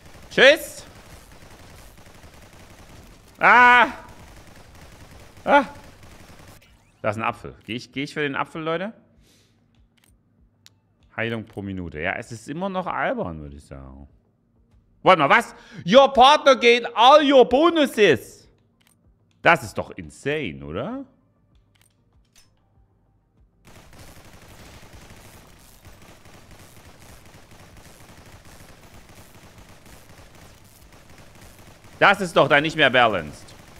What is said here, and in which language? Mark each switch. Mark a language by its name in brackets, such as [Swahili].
[German] Tschüss! Ah! Ah! Da ist ein Apfel. Geh ich für den Apfel, Leute? Heilung pro Minute. Ja, es ist immer noch albern, würde ich sagen. Warte mal, was? [English] Your partner gained all your bonuses. [German] Das ist doch insane, oder? Das ist doch dann nicht mehr balanced.